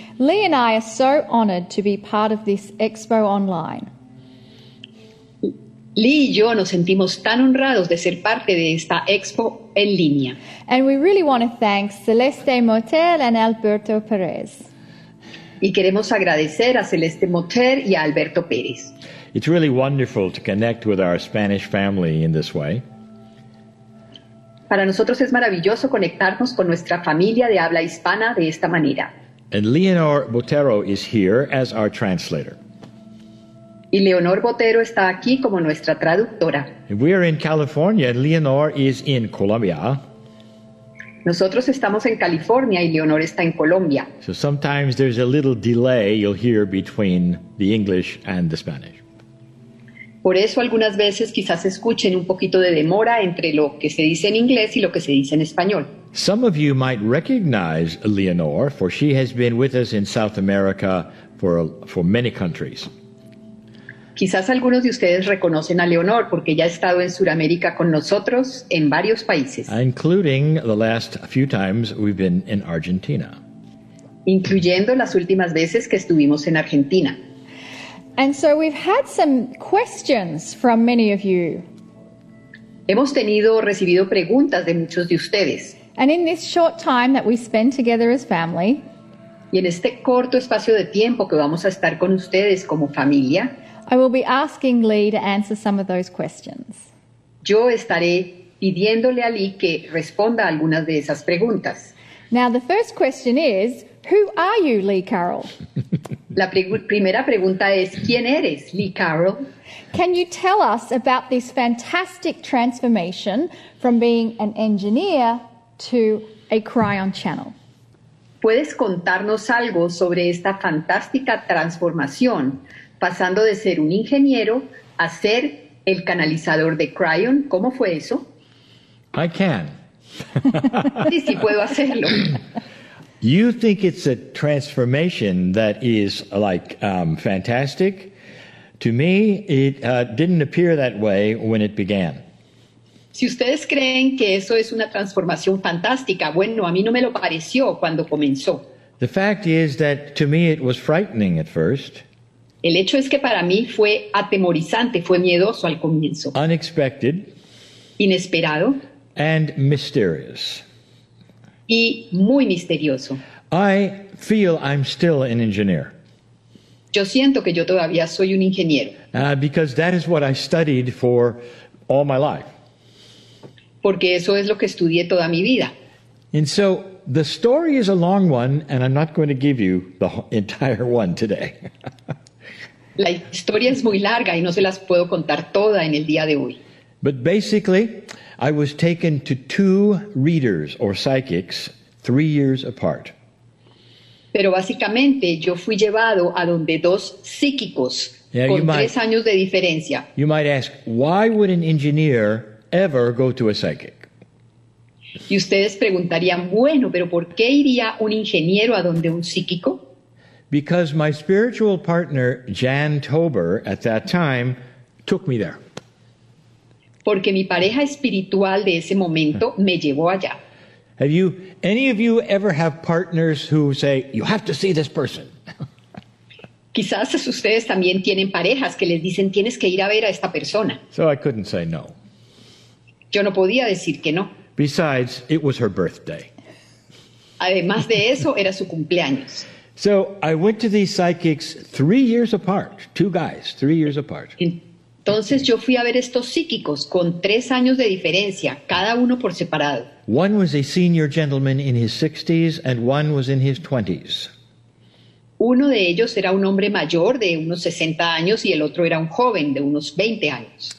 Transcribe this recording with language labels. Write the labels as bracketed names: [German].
[English] Lee and I are so honored to be part of this expo online. [Spanish] Lee y yo nos sentimos tan honrados de ser parte de esta expo en línea. [English] And we really want to thank Celeste Motter and Alberto Pérez. [Spanish] Y queremos agradecer a Celeste Motter y a Alberto Pérez. [English] It's really wonderful to connect with our Spanish family in this way. [Spanish] Para nosotros es maravilloso conectarnos con nuestra familia de habla hispana de esta manera. [English] And Leonor Botero is here as our translator. [Spanish] Y Leonor Botero está aquí como nuestra traductora. [English] We are in California and Leonor is in Colombia. [Spanish] Nosotros estamos en California y Leonor está en Colombia. [English] So sometimes there's a little delay you'll hear between the English and the Spanish. [Spanish] Por eso algunas veces quizás escuchen un poquito de demora entre lo que se dice en inglés y lo que se dice en español. [English] Some of you might recognize Leonor, for she has been with us in South America for many countries. [Spanish] Quizás algunos de ustedes reconocen a Leonor porque ya ha estado en Sudamérica con nosotros en varios países. [English] Including the last few times we've been in Argentina. [Spanish] Incluyendo las últimas veces que estuvimos en Argentina. [English] And so we've had some questions from many of you. [Spanish] Hemos tenido recibido preguntas de muchos de ustedes. [English] And in this short time that we spend together as family, [Spanish] y en este corto espacio de tiempo que vamos a estar con ustedes como familia, [English] I will be asking Lee to answer some of those questions. [Spanish] Yo estaré pidiéndole a Lee que responda algunas de esas preguntas. [English] Now the first question is, who are you, Lee Carroll? [Spanish] La primera pregunta es, ¿quién eres, Lee Carroll? [English] Can you tell us about this fantastic transformation from being an engineer to a cryon channel? [Spanish] ¿Puedes contarnos algo sobre esta fantástica transformación, pasando de ser un ingeniero a ser el canalizador de cryon? ¿Cómo fue eso? [English] I can. [Spanish] Sí, sí, puedo hacerlo. [English] You think it's a transformation that is like fantastic? To me, it didn't appear that way when it began. [Spanish] Si ustedes creen que eso es una transformación fantástica, bueno, a mí no me lo pareció cuando comenzó. [English] The fact is that to me it was frightening at first. [Spanish] El hecho es que para mí fue atemorizante, fue miedoso al comienzo. [English] Unexpected. [Spanish] Inesperado. [English] And mysterious. [Spanish] y muy misterioso. [English] I feel I'm still an engineer. [Spanish] Yo siento que yo todavía soy un ingeniero. [English] Because that is what I studied for all my life. [Spanish] Porque eso es lo que estudié toda mi vida. [English] And so the story is a long one, and I'm not going to give you the entire one today. [Spanish] La historia es muy larga y no se las puedo contar toda en el día de hoy. [English] But basically, I was taken to two readers or psychics 3 years apart. [Spanish] Pero básicamente yo fui llevado a donde dos psíquicos tres años de diferencia. [English] You might ask, why would an engineer ever go to a psychic? [Spanish] Y ustedes preguntarían, bueno, pero ¿por qué iría un ingeniero a donde un psíquico? [English] Because my spiritual partner, Jan Tober, at that time, took me there. [Spanish] Porque mi pareja espiritual de ese momento me llevó allá. [English] Have you, any of you ever have partners who say, you have to see this person? [Spanish] Quizás ustedes también tienen parejas que les dicen, tienes que ir a ver a esta persona. [English] So I couldn't say no. [Spanish] Yo no podía decir que no. [English] Besides, it was her birthday. [Spanish] Además de eso, era su cumpleaños. [English] So I went to these psychics 3 years apart, two guys, 3 years apart. [Spanish] Entonces yo fui a ver estos psíquicos con 3 años de diferencia, cada uno por separado. [English] One was a senior gentleman in his 60s and one was in his 20s. [Spanish] Uno de ellos era un hombre mayor de unos 60 años y el otro era un joven de unos 20 años.